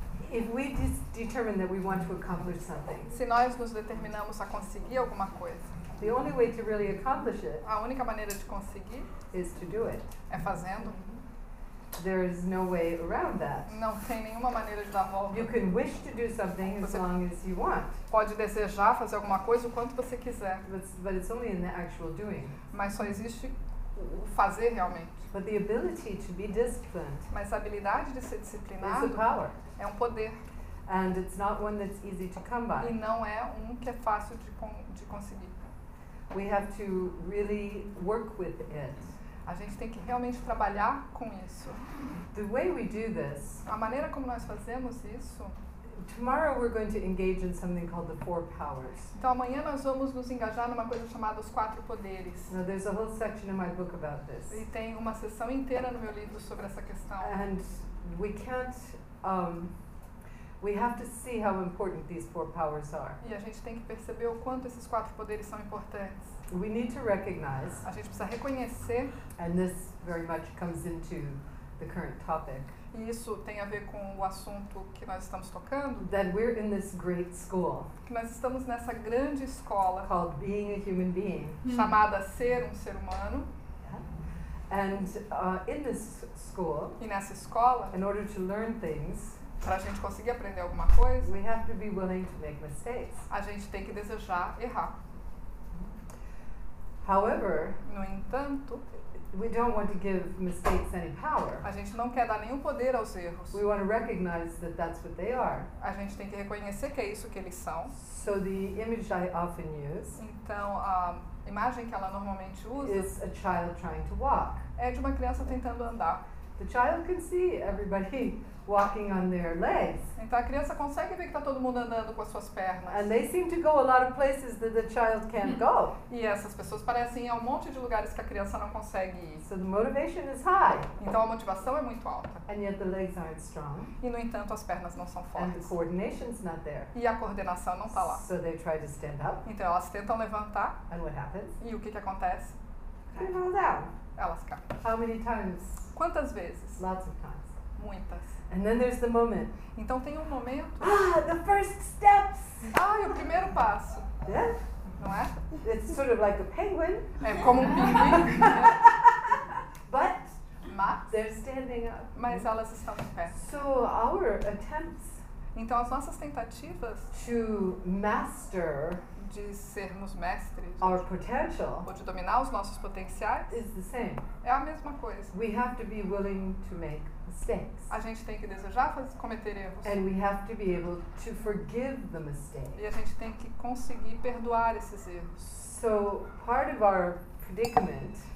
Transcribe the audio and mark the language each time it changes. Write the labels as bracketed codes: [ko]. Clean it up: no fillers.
[en] If we determine that we want to accomplish something, [pt] se nós nos determinamos a conseguir alguma coisa, [en] the only way to really accomplish it, [pt] a única maneira de conseguir, [en] is to do it, [pt] é fazendo. [en] There is no way around that. [pt] Não tem nenhuma maneira de dar volta. [en] You can wish to do something as long as you want. [pt] Pode desejar fazer alguma coisa o quanto você quiser. [en] But it's only in the actual doing. [pt] Mas só existe o fazer realmente. [en] But the ability to be disciplined, [pt] mas a habilidade de ser disciplinado, [en] is a power. [pt] É um poder. [en] And it's not one that's easy to come by. [pt] E não é um que é fácil de conseguir. [en] We have to really work with it. [pt] A gente tem que realmente trabalhar com isso. [en] The way we do this, [pt] a maneira como nós fazemos isso. [en] Tomorrow we're going to engage in something called the four powers. [pt] Então amanhã nós vamos nos engajar numa coisa chamada os quatro poderes. [en] Now, there's a whole section in my book about this. [pt] E tem uma seção inteira no meu livro sobre essa questão. [en] And we can't we have to see how important these four powers are. [pt] E a gente tem que perceber o quanto esses quatro poderes são importantes. [en] We need to recognize. [pt] A gente precisa reconhecer. [en] And this very much comes into the current topic. [pt] isso tem a ver com o assunto que nós estamos tocando, [en] then we're in this great school. [pt] Que nós estamos nessa grande escola [en] called being a human being. [pt] Chamada ser um ser humano. [en] Yeah. And in this school, [pt] e nessa escola, [en] in order to learn things, [pt] para a gente conseguir aprender alguma coisa, [en] we have to be willing to make mistakes. [pt] A gente tem que desejar errar. [en] However, [pt] no entanto, [en] we don't want to give mistakes any power. [pt] A gente não quer dar nenhum poder aos erros. [en] We want to recognize that that's what they are. [pt] A gente tem que reconhecer que é isso que eles são. [en] So the image I often use, [pt] então, a imagem que ela normalmente usa, [en] is a child trying to walk. [pt] É de uma criança tentando andar. [en] The child can see everybody walking on their legs. [pt] Então a criança consegue ver que está todo mundo andando com as suas pernas. [en] And they seem to go a lot of places that the child can't go. [pt] E essas pessoas parecem ir a um monte de lugares que a criança não consegue ir. [en] So the motivation is high. [pt] Então a motivação é muito alta. [en] And yet the legs aren't strong. [pt] E no entanto as pernas não são fortes. [en] And the coordination's not there. [pt] E a coordenação não está lá. [en] So they try to stand up. [pt] Então elas tentam levantar. [en] And what happens? [pt] E o que acontece? [en] They fall down. [pt] Elas caem. [en] How many times? [pt] Quantas vezes? [en] Lots of times. [pt] Muitas. [en] And then there's the moment. [pt] Então tem um momento. [en] Ah, the first steps. [pt] Ah, o primeiro passo. [en] Yeah. [pt] Não é? [en] It's sort of like a penguin. [pt] É como um pinguim. Né? [en] But they're standing up. [pt] Mas elas estão em pé. [en] So our attempts. [pt] Então as nossas tentativas. [en] To master. [pt] De sermos mestres. [en] Our potential. [pt] Ou de dominar os nossos potenciais. [en] Is the same. [pt] É a mesma coisa. [en] We have to be willing to make. Mistakes. [pt] A gente tem que desejar cometer erros. [en] And we have to be able to forgive the mistakes. [pt] E a gente tem que conseguir perdoar esses erros. [en] So part of our predicament.